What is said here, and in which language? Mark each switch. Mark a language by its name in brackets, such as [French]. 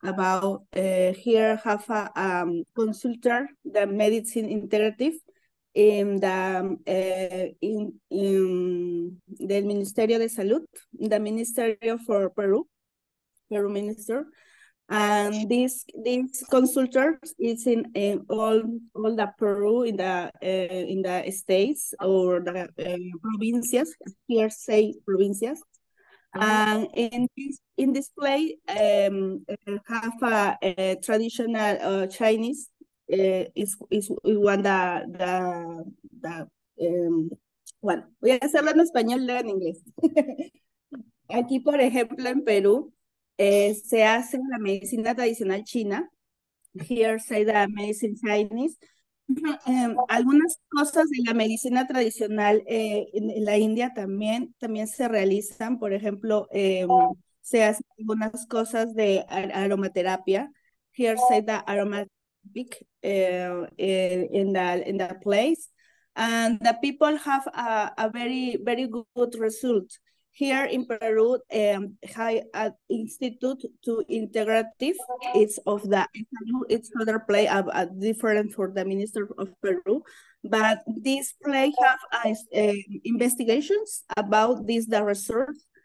[English] About here have a consultor, the medicine integrative, in the in del Ministerio de Salud, the Ministerio for Peru Minister, and this consultor is in all the Peru in the states or the provincias. Here say provincias, and in this place have a traditional Chinese. [Spanish] Bueno, voy a hacerlo en español, leo en inglés. Aquí, por ejemplo, en Perú, se hace la medicina tradicional china. [English] Here say the medicine Chinese. [Spanish] Algunas cosas de la medicina tradicional en la India también se realizan. Por ejemplo, se hacen algunas cosas de aromaterapia. [English] Here say the aromaterapia. Big in the place, and the people have a very very good result here in Peru. High institute to integrative, it's of the it's another play of a different for the minister of Peru, but this play have investigations about this the research.